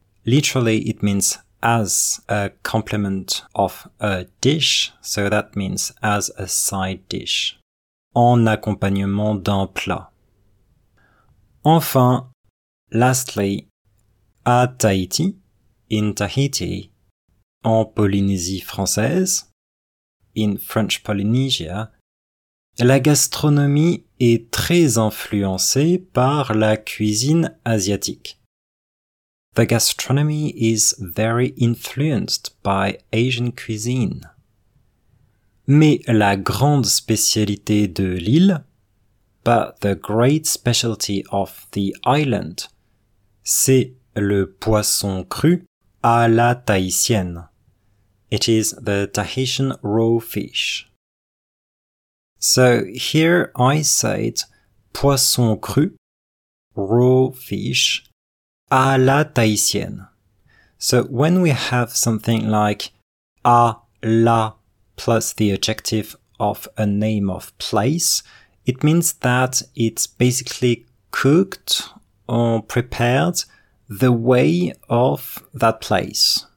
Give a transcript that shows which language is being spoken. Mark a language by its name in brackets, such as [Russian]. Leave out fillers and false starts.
[English] Literally, it means as a complement of a dish. So that means as a side dish. [French] En accompagnement d'un plat. Enfin, [English] lastly, [French] à Tahiti, [English] in Tahiti, [French] en Polynésie française, [English] in French Polynesia, [French] la gastronomie est très influencée par la cuisine asiatique. [English] The gastronomy is very influenced by Asian cuisine. [French] Mais la grande spécialité de l'île, [English] but the great specialty of the island, [French] c'est le poisson cru à la tahitienne. [English] It is the Tahitian raw fish. So here I said [French] poisson cru, [English] raw fish, [French] à la tahitienne. [English] So when we have something like à la plus the adjective of a name of place, it means that it's basically cooked or prepared the way of that place.